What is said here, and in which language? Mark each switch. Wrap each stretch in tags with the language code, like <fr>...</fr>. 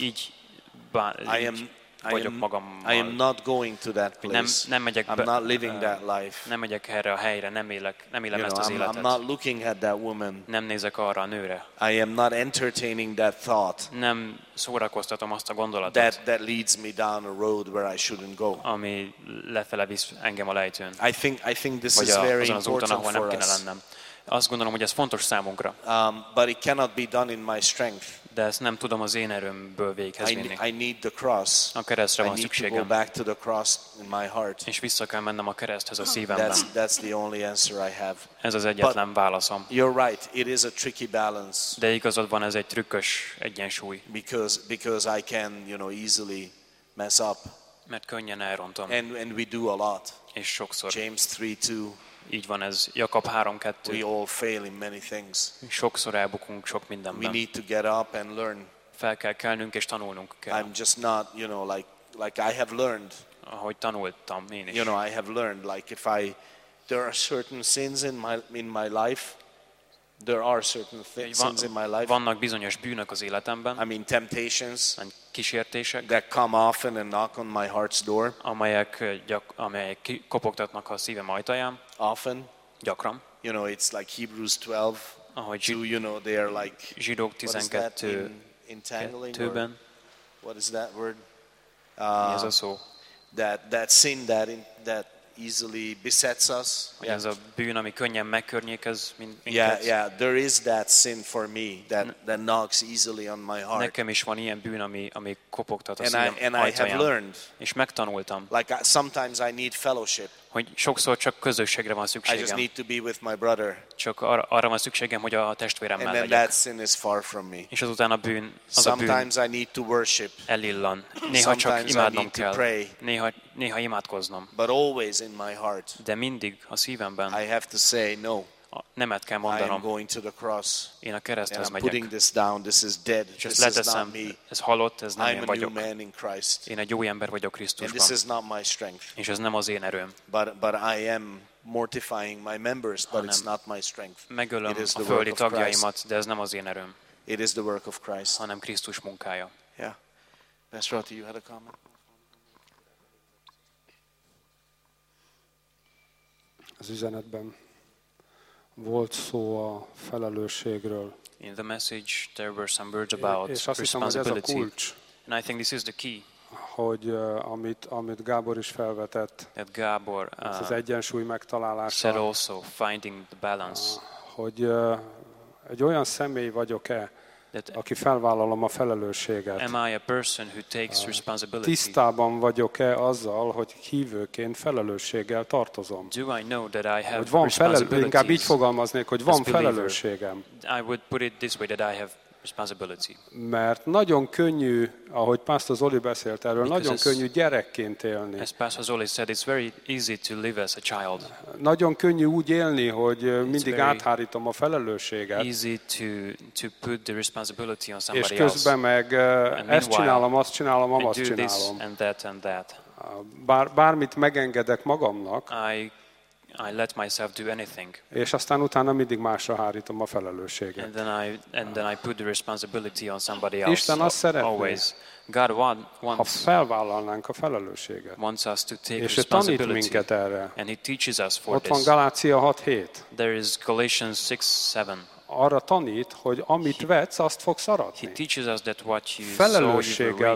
<hu>Így bánom.</hu> <en>I am not going to that place.</en> <hu>Nem megyek,</hu> <en>I'm not living that life.</en> <hu>Nem megyek erre a helyre, nem élem ezt az életet.</hu> <en>I'm not looking at that woman.</en> <hu>Nem nézek arra a nőre.</hu> <en>I am not entertaining that thought.</en> <hu>Nem szórakoztatom azt a gondolatot.</hu> <en>That leads me down a road where I shouldn't go.</en> <hu>Ami lefele visz engem a lejtőn.</hu> <en>I think this is very important for us.</en> <hu>Azt gondolom, hogy ez fontos számunkra.</hu> <en>But it cannot be done in my strength.</en> <hu>De ezt nem tudom az én erőmből véghez vinni.</hu> <en>I need the cross.</en> <hu>A keresztre van szükségem.</hu> <en>I need to go back to the cross in my heart.</en> <hu>És vissza kell mennem a kereszthez a szívemben.</hu> <en>That's the only answer I have.</en> <hu>Ez az egyetlen válaszom.</hu> <en>You're right. It is a tricky balance.</en> <hu>De igazad van, ez egy trükkös egyensúly.</hu> <en>Because I can, you know, easily mess up.</en> <hu>Mert könnyen elrontom.</hu> <en>And we do a lot.</en> <hu>És sokszor.</hu> <en>James 3:2.</en> <hu>Így van ez, Jakab 3:2.</hu> <en>We all fail in many things.</en> <hu>Sokszor elbukunk sok mindenben.</hu> <en>We need to get up and learn.</en> <hu>Fel kell kelnünk és tanulnunk kell.</hu> <en>I'm just not, you know, like I have learned.</en> <hu>Ahogy tanultam én is.</hu> <en>You know, I have learned, like if I, there are certain sins in my life. There are certain sins in my life.</en> <hu>Vannak bizonyos bűnök az életemben.</hu> <en>I mean temptations.</en> <hu>Kísértések.</hu> <en>That come often and knock on my heart's door.</en> <hu>Amelyek kopogtatnak a szívem ajtaján.</hu> <en>Often.</en> <hu>Gyakran.</hu> <en>You know, it's like Hebrews 12.</en> <hu>Ahogy</hu> <en>do you know they are like</en> <hu>Zsidók 12.</hu> <en>Entangling.</en> <hu>Tőben.</hu> <en>What is that word?</en> <hu>Mi ez a szó?</hu> <en>That sin that easily besets us.</en> <hu>Yeah, ez a bűn, ami könnyen megkörnyékez minket.</hu> <en>Yeah, there is that sin for me that knocks easily on my heart.</en> <hu>Nekem is van ilyen bűn, ami kopogtat a szívem. És megtanultam.</hu> <en>Like sometimes I need fellowship.</en> <hu>Hogy sokszor csak közösségre van szükségem.</hu> <en>I just need to be with my brother.</en> <hu>Csak arra van szükségem, hogy a testvéremmel legyek.</hu> <en>And that sin is far from me.</en> <hu>És azután a bűn, az</hu> <en>sometimes</en> <hu>a bűn</hu> <en>I need to worship.</en> <hu>Elillan. Néha csak imádnom kell. Néha imádkoznom.</hu> <en>But always in my heart.</en> <hu>De mindig a szívemben.</hu> <en>I have to say no.</en> <hu>Nemet kell mondanom.</hu> <en>I am going to the cross.</en> <hu>Én a kereszthez megyek.</hu> <en>I'm putting this down. This is dead. Just</en> <hu>leteszem. Ez halott, ez nem én vagyok.</hu> <en>I'm a new man in Christ.</en> <hu>Én egy új ember vagyok Krisztusban.</hu> <en>And this is not my strength.</en> <hu>És ez nem az én erőm.</hu> <en>But I am mortifying my members, but it's not my strength.</en> <hu>Megölöm a földi tagjaimat, de ez nem az én erőm.</hu> <en>It is the work of Christ.</en> <hu>Hanem Krisztus munkája.</hu> <en>Yeah. Pastor Roth, you had a comment?</en> <hu>Az üzenetben volt szó a felelősségről.</hu> <en>In the message there were some words about responsibility. And I think this is the key.</en> <hu>Hogy amit Gábor is felvetett.</hu> <en>That Gábor</en> <hu>az egyensúly megtalálása.</hu> <en>Said also finding the balance.</en> <hu>Hogy egy olyan személy vagyok-e, aki felvállalom a felelősséget.</hu> <en>Am I a person who takes responsibility?</en> <hu>Tisztában vagyok-e azzal, hogy hívőként felelősséggel tartozom?</hu> <en>Do I know that I have responsibility?</en> <hu>Inkább így fogalmaznék, hogy van felelősségem.</hu> <en>I would put it this way, that I have responsibility.</en> <hu>Mert nagyon könnyű, ahogy Pastor Zoli beszélt erről,</hu> <en>because</en> <hu>nagyon könnyű gyerekként élni.</hu> <en>As Pastor Zoli said, it's very easy to live as a child.</en> <hu>Nagyon könnyű úgy élni, hogy</hu> <en>it's</en> <hu>mindig áthárítom a felelősséget.</hu> <en>Easy to put the responsibility on somebody else.</en> <hu>És közben meg ezt csinálom, azt csinálom, amaz csinálom.</hu> <en>I do this and that and that.</en> <hu>Bármit megengedek magamnak.</hu> <en>I let myself do anything.</en> <hu>És aztán utána mindig másra hárítom a felelősséget.</hu> <en>And then I put the responsibility on somebody else.</en> <hu>Isten azt szeretné,</hu> <en>always. God wants.</en> <hu>Ha felvállalnánk a felelősséget.</hu> <en>Wants us to take</en> <hu>és</hu> <en>responsibility.</en> <hu>És tanít minket erre.</hu> <en>And he teaches us for</en> <hu>ott van Galácia 6:7.</hu> <en>There is Galatians 6:7.</en> <hu>Arra tanít, hogy amit vetsz, azt fogsz aratni.</hu> <en>He teaches us that what you</en> <hu>felelősséggel</hu>